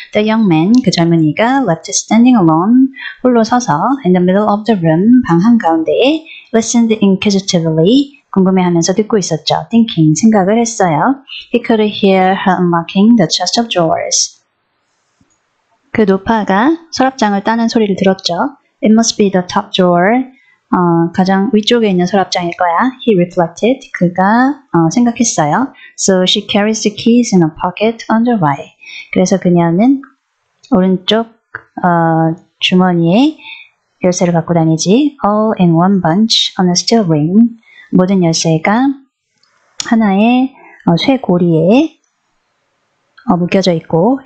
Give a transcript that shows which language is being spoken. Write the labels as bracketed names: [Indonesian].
[English] The young man, [Korean] 그 젊은이가 [English] left standing alone, [Korean] 홀로 서서. [English] In the middle of the room, [Korean] 방 한가운데에. [English] Listened inquisitively, [Korean] 궁금해하면서 듣고 있었죠. [English] Thinking, [Korean] 생각을 했어요. [English] He could hear her unlocking the chest of drawers. [Korean] 그 노파가 서랍장을 따는 소리를 들었죠. [English] It must be the top drawer. [Korean] 가장 위쪽에 있는 서랍장일 거야. [English] He reflected. [Korean] 그가 생각했어요. [English] So she carries the keys in a pocket on the right. [Korean] 그래서 그녀는 오른쪽 주머니에 열쇠를 갖고 다니지. [English] All in one bunch on a steel ring. [Korean] 모든 열쇠가 하나의 쇠고리에 묶여져 있고.